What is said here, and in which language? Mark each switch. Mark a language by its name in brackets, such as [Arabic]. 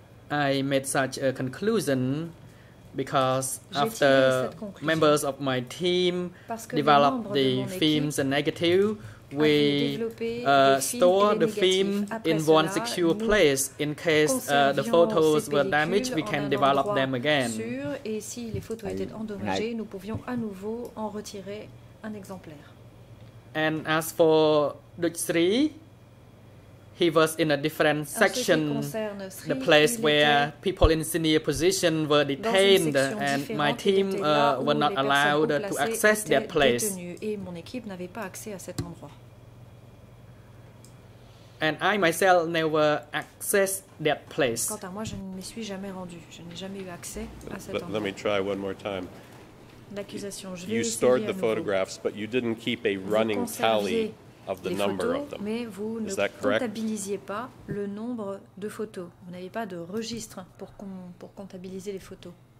[English] I made such a conclusion because after members of my team developed the films and negative, we store the film in one secure place. In case the photos were damaged, we can develop them again. [French] Et si les photos étaient endommagées, nous pouvions à nouveau en retirer un exemplaire. [English] And as for Dutch 3, he was in a different section, the place where people in senior position were detained, and my team were not allowed to access that place. [French] Et mon équipe n'avait pas accès à cet endroit. [English] And I myself never accessed that place. [French] Quant à moi, je ne m'y suis jamais rendu. Je n'ai jamais eu accès à cet endroit. [English] Let me try one more time. [French] L'accusation. Je vais [English] you stored the photographs, but you didn't keep a running tally of the number of them. [French] Mais vous [English] is [French] ne [English] that correct? [French] Comptabilisiez pas le nombre de photos. Vous n'avez pas de registre pour comptabiliser les photos.